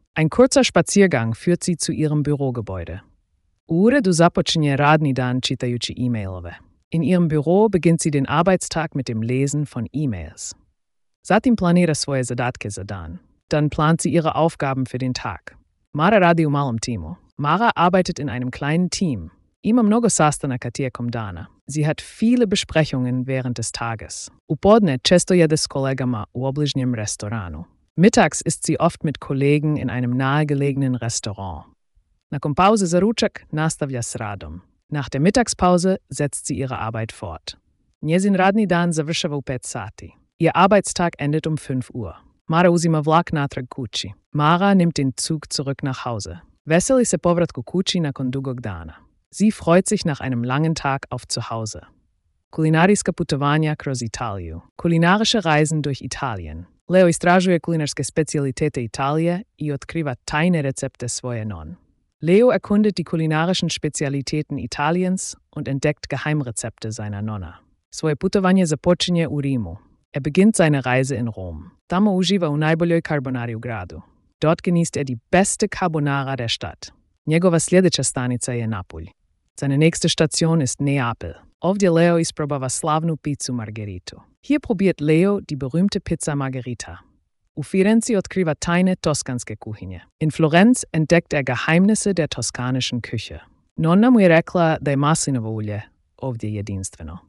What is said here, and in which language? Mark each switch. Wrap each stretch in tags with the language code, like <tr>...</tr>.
<de>Ein kurzer Spaziergang führt sie zu ihrem Bürogebäude.</de> <hr>U uredu započinje radni dan čitajući e-mailove.</hr> <de>In ihrem Büro beginnt sie den Arbeitstag mit dem Lesen von E-mails.</de> <hr>Zatim planira svoje zadatke za dan.</hr> <de>Dann plant sie ihre Aufgaben für den Tag.</de> <hr>Mara radi u malom timu.</hr> <de>Mara arbeitet in einem kleinen Team.</de> <hr>Ima mnogo sastanaka tijekom dana.</hr> <de>Sie hat viele Besprechungen während des Tages.</de> <hr>U podne često jede s kolegama u obližnjem restoranu.</hr> <de>Mittags ist sie oft mit Kollegen in einem nahegelegenen Restaurant.</de> <hr>Nakon pauze za ručak nastavlja s radom.</hr> <de>Nach der Mittagspause setzt sie ihre Arbeit fort.</de> <hr>Njezin radni dan završava u 5 sati.</hr> <de>Ihr Arbeitstag endet 5 Uhr.</de> <hr>Mara uzima vlak natrag kući.</hr> <de>Mara nimmt den Zug zurück nach Hause.</de> <hr>Veseli se povratku kući nakon dugog dana.</hr> <de>Sie freut sich nach einem langen Tag auf zu Hause.</de> <hr>Kulinariska putovanja kroz Italiju.</hr> <de>Kulinarische Reisen durch Italien.</de> <hr>Leo istražuje kulinarske specialitete Italije i otkriva tajne recepte svoje non.</hr> <de>Leo erkundet die kulinarischen Spezialitäten Italiens und entdeckt Geheimrezepte seiner Nonna.</de> <hr>Svoje putovanje započinje u Rimu.</hr> <de>Er beginnt seine Reise in Rom.</de> <hr>Tamo uživa u najboljoj carbonari u gradu.</hr> <de>Dort genießt er die beste Carbonara der Stadt.</de> <hr>Njegova sljedeća stanica je Napulj.</hr> <de>Seine nächste Station ist Neapel.</de> <hr>Ovdje Leo isprobava slavnu pizzu Margherita.</hr> <de>Hier probiert Leo die berühmte Pizza Margherita.</de> <hr>U Firenze otkriva tajne toskanske kuhinje.</hr> <de>In Florenz entdeckt er Geheimnisse der toskanischen Küche.</de> <hr>Nonna mu je rekla da je maslinovo ulje ovdje jedinstveno.</hr>